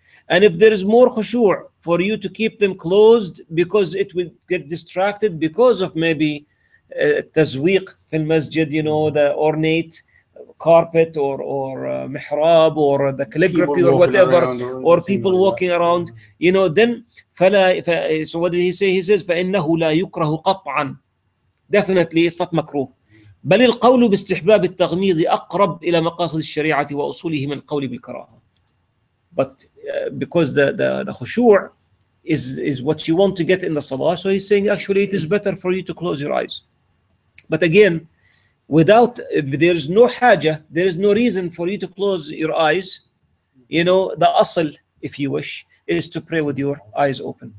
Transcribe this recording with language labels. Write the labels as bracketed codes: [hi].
[en] And if there is more khushu' for you to keep them closed because it will get distracted because of maybe [ar] التزويق في المسجد, [en] you know, the ornate carpet or محراب or the calligraphy or whatever, or people walking around, you know, then [ar] فلا ف, [en] so what did he say? He says [ar] فإنه لا يكره قطعا, [en] definitely it's not [ar] مكروه, بل القول باستحباب التغميض أقرب إلى مقاصد الشريعة وأصوله من القول بالكراهة. [en] But because the خشوع is what you want to get in the salah, so he's saying actually it is better for you to close your eyes. But again, without, there is no haja, there is no reason for you to close your eyes. You know, the asl, if you wish, is to pray with your eyes open.